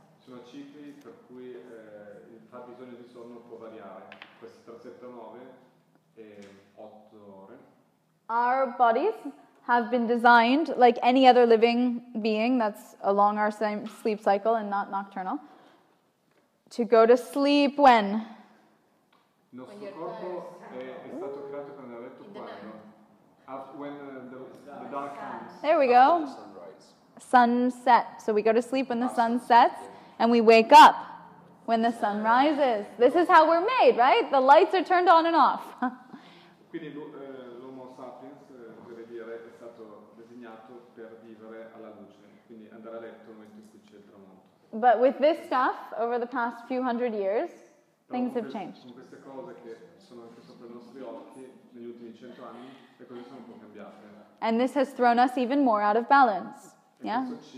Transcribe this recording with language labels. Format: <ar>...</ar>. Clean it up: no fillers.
<it>Sono cicli per cui il fabbisogno di sonno può variare. Questi tra 7 e 9 e 8 ore.</it> <en>Our bodies have been designed, like any other living being that's along our same sleep cycle and not nocturnal, to go to sleep when?</en> <it>Il nostro corpo è stato creato quando ha letto quando?</it> <en>When the dark comes. There we go. Sunset. So we go to sleep when the sun sets, and we wake up when the sun rises. This is how we're made, right? The lights are turned on and off.</en> <it>Quindi l'Homo sapiens, vuol dire, è stato designato per vivere alla luce, quindi andare a letto nel momento in cui c'è il tramonto.</it> <en>But with this stuff, over the past few hundred years, things have changed.</en> <it>Con queste cose che sono anche sopra i nostri occhi negli ultimi 100 anni, le cose sono un po' cambiate.</it> <en>And this has thrown us even more out of balance. Yeah.</en>